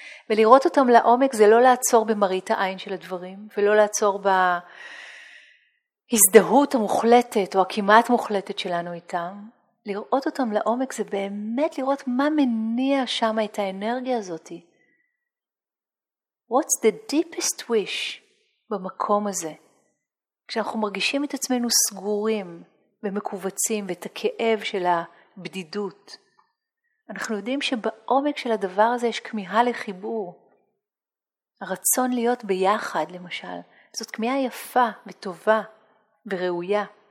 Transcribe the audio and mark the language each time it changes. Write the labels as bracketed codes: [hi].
[he] ולראות אותם לעומק זה לא לעצור במראית העין של הדברים, ולא לעצור בהזדהות המוחלטת או הכמעט מוחלטת שלנו איתם. לראות אותם לעומק זה באמת לראות מה מניע שם את האנרגיה הזאת. [en] What's the deepest wish [he] במקום הזה? כשאנחנו מרגישים את עצמנו סגורים ומקובצים ואת הכאב של הבדידות, אנחנו יודעים שבעומק של הדבר הזה יש כמיהה לחיבור. הרצון להיות ביחד, למשל, זאת כמיהה יפה וטובה וראויה.